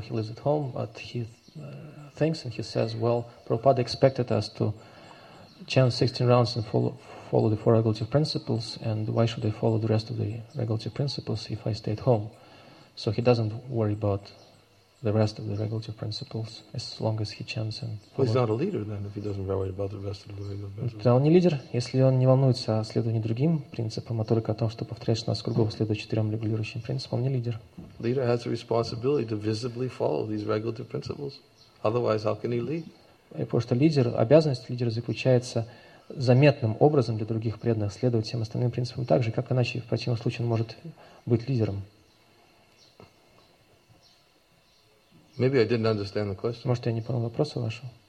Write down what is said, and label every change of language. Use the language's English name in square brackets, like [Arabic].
[English] He lives at home, but he thinks and he says, "Well, Prabhupada expected us to chant 16 rounds and follow the four regulative principles. And why should I follow the rest of the regulative principles if I stay at home?" So he doesn't worry about the rest of the regulative principles, as long as he chants and follows. Well, he's not a leader then, if he doesn't worry about the rest of the regulative principles. [Russian] Да, он не лидер, если он не волнуется о следовании другим принципам, а только о том, что повторяет 16 кругов, следует четырем регулирующим принципам, он не лидер. [English] Leader has a responsibility to visibly follow these regulative principles. Otherwise, how can he lead? [Russian] Потому что лидер, обязанность лидера заключается заметным образом для других преданных следовать всем остальным принципам так же, как иначе, в противном случае, он может быть лидером. [English] Maybe I didn't understand the question. [Russian] Может, я не понял вопроса вашего?